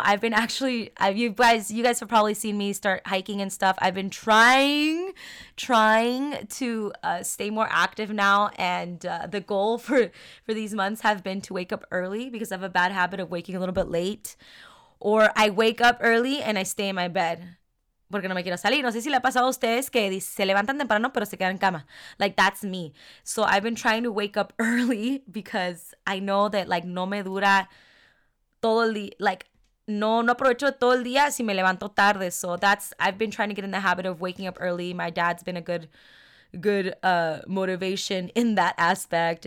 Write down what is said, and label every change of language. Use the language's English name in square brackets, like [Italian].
[English] I've been actually, you guys have probably seen me start hiking and stuff. I've been trying to stay more active now. And the goal for these months have been to wake up early because I have a bad habit of waking a little bit late. Or I wake up early and I stay in my bed. [Spanish] Porque no me quiero salir. No sé si le ha pasado a ustedes que se levantan temprano, pero se quedan en cama. [English] Like, that's me. So, I've been trying to wake up early because I know that, like, [Spanish] no me dura todo el día. [English] Like, [Spanish] no aprovecho todo el día si me levanto tarde. [English] So, I've been trying to get in the habit of waking up early. My dad's been a good motivation in that aspect.